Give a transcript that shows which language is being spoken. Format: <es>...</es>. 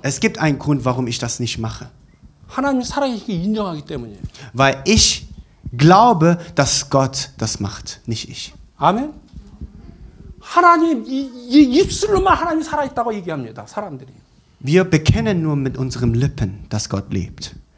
<de>Es gibt einen Grund, warum ich das nicht mache.</de> <ko>하나님 살아계시게 인정하기 때문이에요.</ko> <de>Weil ich glaube, dass Gott das macht, nicht ich.</de> <ko>아멘. 하나님 이 입술로만 하나님 살아있다고 얘기합니다. 사람들이.</ko> <de>Wir bekennen nur mit unseren Lippen, dass Gott lebt.</de>